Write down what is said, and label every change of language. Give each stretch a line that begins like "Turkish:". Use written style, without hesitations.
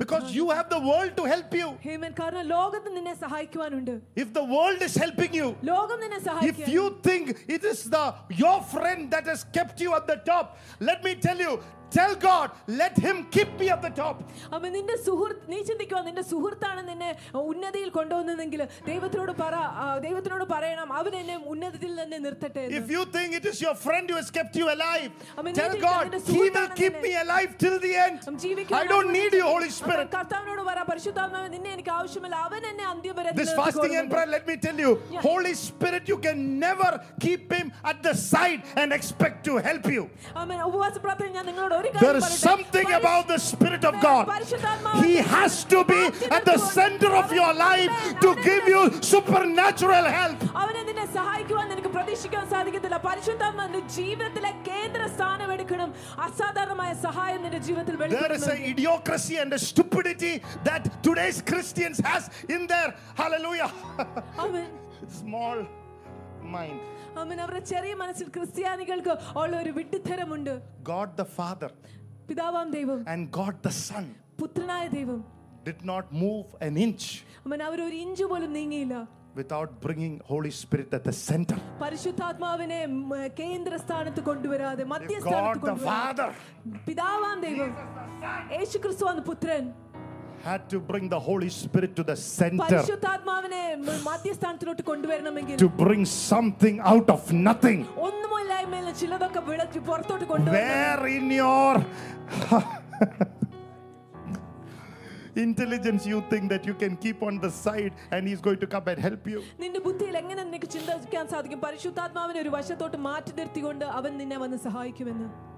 English: Because you have the world to help you.
Malayalam: Amen. കാരണം ലോകത്തെ നിന്നെ സഹായിക്കാനുണ്ട്.
English: If the world is helping you.
Malayalam: ലോകം നിന്നെ സഹായിക്കും.
English: If you think it is the your friend that has kept you at the top, let me tell you, tell God, let him keep me at the top. Amen.
Malayalam: നിന്റെ സുഹൃത്ത് നീ ചിന്തിക്കോ, നിന്റെ സുഹൃത്താണ് നിന്നെ ഉന്നതിയിൽ കൊണ്ടുവന്നതെങ്കിൽ ദൈവത്തിനോട് പറയണം, അവൻ എന്നെ ഉന്നതിയിൽ തന്നെ നിർത്തട്ടെ.
English: If you think it is your friend who has kept you alive, tell God, he will keep me alive till the end. I don't need you, Holy Spirit.
Malayalam: കർത്താവിനോട് പറ പരിശുദ്ധാത്മാവേ, നിന്നെ എനിക്ക് ആവശ്യമില്ല, അവൻ എന്നെ അന്ത്യം വരെ.
English: This fasting and prayer, let me tell you, Holy Spirit, you can never keep him at the side and expect to help you.
Malayalam: Amen. ഉപവാസ പ്രാർത്ഥന ഞാൻ നിങ്ങളോട്,
English: there is something about the Spirit of God. He has to be at the center of your life to give you supernatural help.
Malayalam: അവനെ നിന്നെ സഹായിക്കുവാൻ നിനക്ക് പ്രതീക്ഷിക്കാൻ സാധിക്കില്ല. പരിശുദ്ധാത്മാവ് നിന്റെ ജീവിതത്തിലെ കേന്ദ്രസ്ഥാനം എടുക്കണം. അസാധാരണമായ സഹായം നിന്റെ ജീവിതത്തിൽ വെളിപ്പെടും.
English: There is an idiocracy and a stupidity that today's Christians has in their, hallelujah, amen, small mind.
Malayalam: അമ്മ, അവരുടെ ചെറിയ മനസ്സിൽ ക്രിസ്ത്യാനികൾക്ക് ഉള്ള ഒരു വിഡ്ഢിത്തരമുണ്ട്.
English: God the Father,
Malayalam: പിതാവാം ദൈവം,
English: and God the Son,
Malayalam: പുത്രനായ ദൈവം,
English: did not move an inch.
Malayalam: അമ്മ, അവർ ഒരു ഇഞ്ച് പോലും നീങ്ങിയില്ല.
English: Without bringing Holy Spirit at the center.
Malayalam: പരിശുദ്ധാത്മാവിനെ കേന്ദ്രസ്ഥാനത്ത് കൊണ്ടുവരാതെ മധ്യസ്ഥാനത്ത് കൊണ്ടുവരാതെ.
English: God the Father,
Malayalam: പിതാവാം ദൈവം, യേശുക്രിസ്തു ആണ് പുത്രൻ.
English: Had to bring the Holy Spirit to the center.
Malayalam: പരിശുദ്ധാത്മാവിനെ മധ്യസ്ഥാനത്തിലോട്ട് കൊണ്ടുവരണമെങ്കിൽ,
English: to bring something out of nothing.
Malayalam: ഒന്നുമില്ലായ്മയിൽ നിന്ന് ചിലതൊക്കെ വിളിച്ച് പുറത്തോട്ട് കൊണ്ടുവരണം.
English: Where in your intelligence you think that you can keep on the side and he's going to come and help you?
Malayalam: നിന്റെ ബുദ്ധിയിൽ എങ്ങനെ നിനക്ക് ചിന്തിക്കാൻ സാധിക്കും പരിശുദ്ധാത്മാവിനെ ഒരു വശത്തോട്ട് മാറ്റി നിർത്തിക്കൊണ്ട് അവൻ നിന്നെ വന്ന് സഹായിക്കുമെന്ന്?